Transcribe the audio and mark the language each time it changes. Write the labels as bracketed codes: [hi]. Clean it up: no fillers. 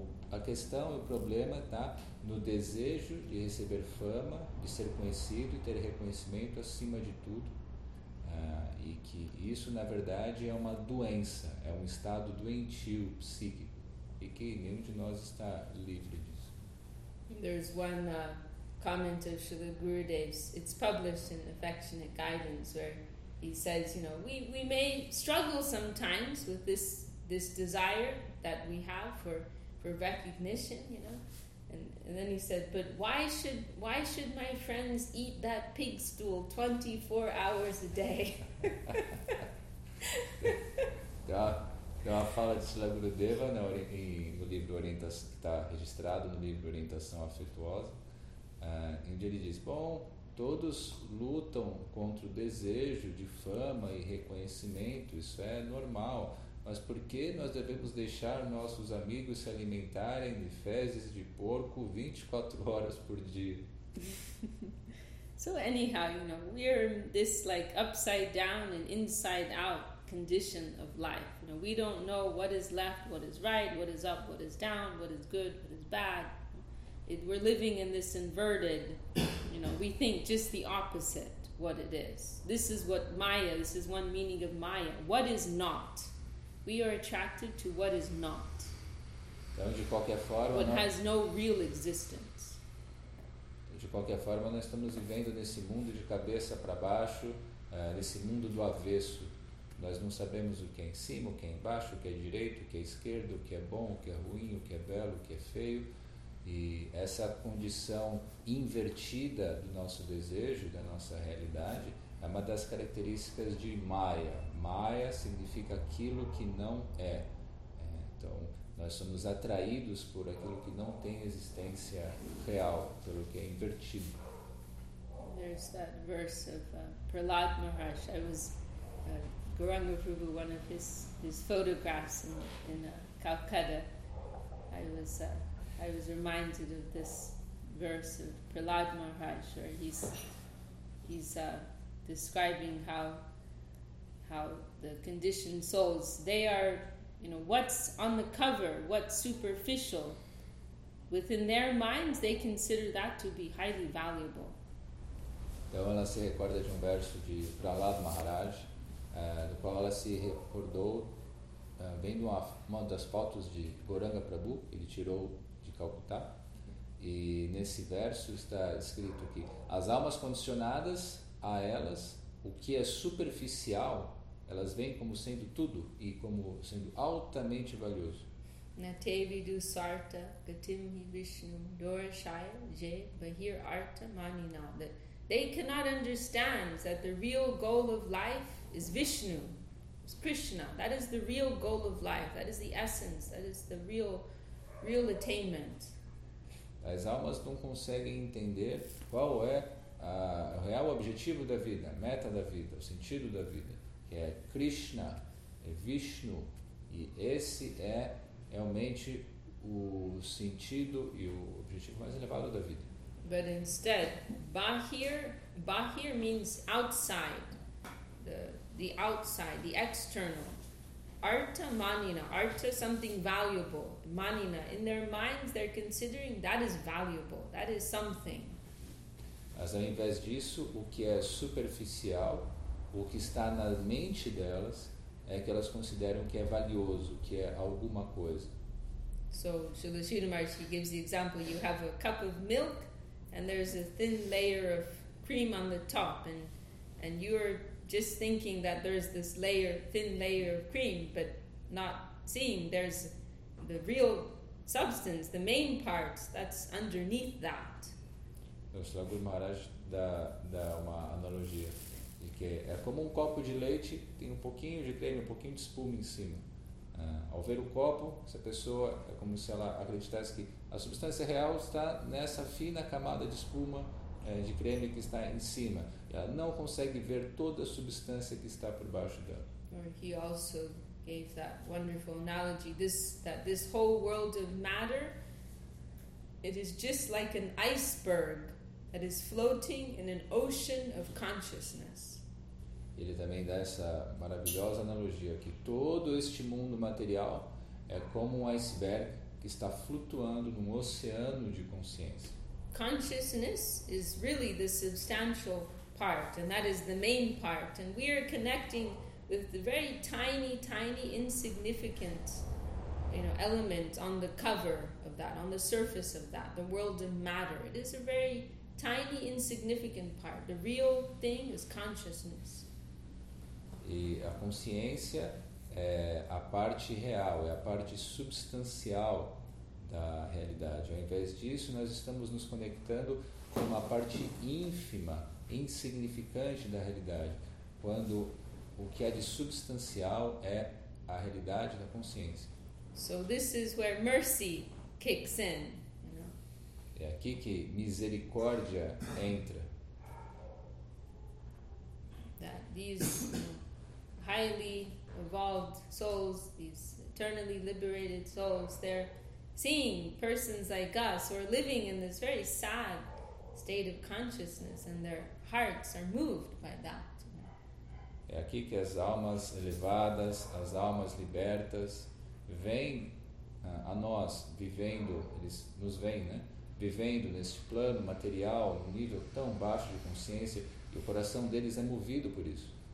[pt] A questão e o problema está no desejo de receber fama, de ser conhecido e ter reconhecimento acima de tudo. E que isso, na verdade, é uma doença, é um estado doentio psíquico, e que nenhum de nós está livre disso. [en] There's one comment of Srila Gurudev's, it's published in Affectionate Guidance, where he says, we may struggle sometimes with this desire that we have for recognition, and then he said, but why should my friends eat that pig stool 24 hours a day? [pt] Então, a fala de Srila Gurudeva no livro Orientação, que está registrado no livro Orientação Afetuosa, onde ele diz, bom, todos lutam contra o desejo de fama e reconhecimento, isso é normal, mas por que nós devemos deixar nossos amigos se alimentarem de fezes de porco 24 horas por dia? [en] So anyhow, we're in this like upside down and inside out condition of life. We don't know what is left, what is right, what is up, what is down, what is good, what is bad. We're living in this inverted, we think just the opposite what it is. This is what Maya, this is one meaning of Maya. What is not? We are attracted to what is not. [pt] Então, de qualquer forma, [en] what [pt] nós... [en] has no real existence. [pt] Então, de qualquer forma, nós estamos vivendo nesse mundo de cabeça para baixo, nesse mundo do avesso. Nós não sabemos o que é em cima, o que é embaixo, o que é direito, o que é esquerdo, o que é bom, o que é ruim, o que é belo, o que é feio. E essa condição invertida do nosso desejo, da nossa realidade, é uma das características de Maya. Maya significa aquilo que não é. Então, nós somos atraídos por aquilo que não tem existência real, pelo que é invertido. [en] There's that verse of Prahlad Maharaj. I was Gauranga Prabhu, one of his photographs in Calcutta. I was reminded of this verse of Prahlad Maharaj, where he's describing how the conditioned souls, they are, what's on the cover, what's superficial, within their minds they consider that to be highly valuable. [pt] Então ela se recorda de um verso de Prahlad Maharaj, do qual ela se recordou vendo uma das fotos de Gauranga Prabhu, ele tirou de Calcutá, e nesse verso está escrito que as almas condicionadas a elas o que é superficial, elas veem como sendo tudo e como sendo altamente valioso. [sa] Na teve do sarta gatim vishnu dorshaya je bahir arta manina, [en] that they cannot understand that the real goal of life is Vishnu, is Krishna. That is the real goal of life. That is the essence. That is the real attainment. [pt] As almas não conseguem entender qual é o real objetivo da vida, a meta da vida, o sentido da vida, que é Krishna, é Vishnu, e esse é realmente o sentido e o objetivo mais elevado da vida. [en] But instead, bahir means outside, the outside, the external. Arta manina, arta something valuable. Manina, in their minds, they're considering that is valuable, that is something. [pt] Mas, ao invés disso, o que é superficial, o que está na mente delas, é que elas consideram que é valioso, que é alguma coisa. [en] So, Srila Sridhar Maharshi gives the example: you have a cup of milk, and there's a thin layer of cream on the top, and you're just thinking that there's this layer, thin layer of cream, but not seeing there's the real substance, the main part that's underneath that. [pt] O Sagur Maharaj dá uma analogia de que é como um copo de leite, tem um pouquinho de creme, um pouquinho de espuma em cima. Ao ver o copo, essa pessoa é como se ela acreditasse que a substância real está nessa fina camada de espuma, de creme que está em cima. Ela não consegue ver toda a substância que está por baixo dela. [en] Or he also gave that wonderful analogy, this whole world of matter, it is just like an iceberg that is floating in an ocean of consciousness. [pt] Ele também dá essa maravilhosa analogia que todo este mundo material é como um iceberg que está flutuando num oceano de consciência. [en] Consciousness is really the substantial part, and that is the main part, and we are connecting with the very tiny, tiny, insignificant, element on the cover of that, on the surface of that, the world of matter. It is a very tiny, insignificant part. The real thing is consciousness. [pt] E a consciência é a parte real, é a parte substancial da realidade. Ao invés disso, nós estamos nos conectando com uma parte ínfima, insignificante da realidade, quando o que é de substancial é a realidade da consciência. [en] So this is where mercy kicks in. [pt] É aqui que misericórdia entra. [en] That these highly evolved souls, these eternally liberated souls, they're seeing persons like us who are living in this very sad state of consciousness, and their hearts are moved by that. [pt] É aqui que as almas elevadas, as almas libertas, vêm a nós vivendo, eles nos veem, né? Vivendo neste plano material, num nível tão baixo de consciência, e o coração deles é movido por isso.